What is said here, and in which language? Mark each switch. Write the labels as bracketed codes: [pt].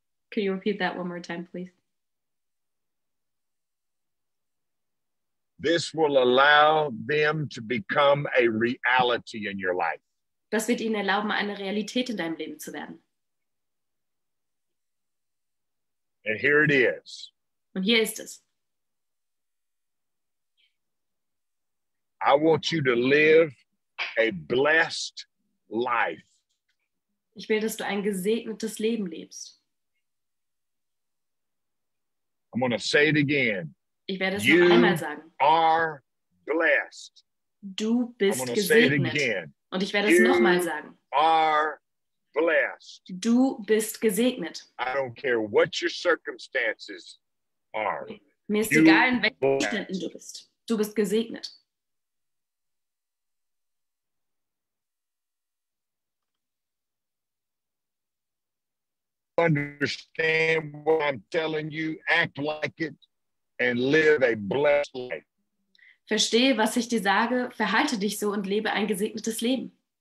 [en] Can you repeat that one more time, please? This will allow them to become a reality in your life. [de] Das wird ihnen erlauben, eine Realität in deinem Leben zu werden. [en] And here it is. [de] Und hier ist es. [en] I want you to live a blessed life. [de] Ich will, dass du ein gesegnetes Leben lebst. [en] I'm going to say it again. [de] Ich werde es noch einmal sagen. [en] You are blessed. [de] Du bist gesegnet. [en] Say it again. [de] Und ich werde [en] you [de] es nochmal sagen. [en] Are blessed. [de] Du bist gesegnet. [en] I don't care what your circumstances are. [de] Mir ist you egal, in welchen Umständen du bist. Du bist gesegnet. [en] Understand what I'm telling you, act like it and live a blessed life. [de] Verstehe, was ich dir sage, verhalte dich so und lebe ein gesegnetes Leben.